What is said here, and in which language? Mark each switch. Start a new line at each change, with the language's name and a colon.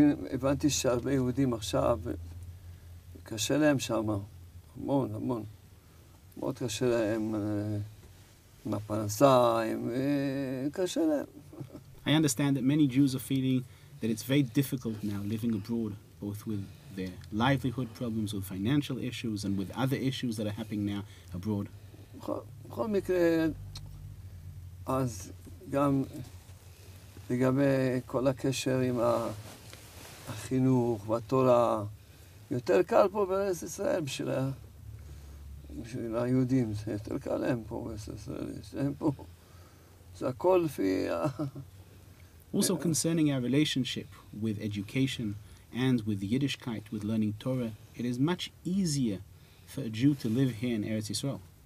Hebrew: הבנתי שהרבה יהודים עכשיו, קשה להם שם, המון, המון. מאוד קשה להם עם הפרנסה, קשה להם.
English: I understand that many Jews are feeling that it's very difficult now living abroad, both with their livelihood problems, with financial issues, and with other issues that are happening now abroad.
Hebrew: בכל מקרה, אז גם לגבי כל הקשר עם החינוך והתורה, יותר קל פה בארץ ישראל בשביל היהודים, זה יותר קל להם פה בארץ ישראל, יש להם פה, זה הכל לפי...
English: Also concerning our relationship with education and with Yiddishkeit, with learning Torah, it is much easier for a Jew to live here in Eretz Yisrael.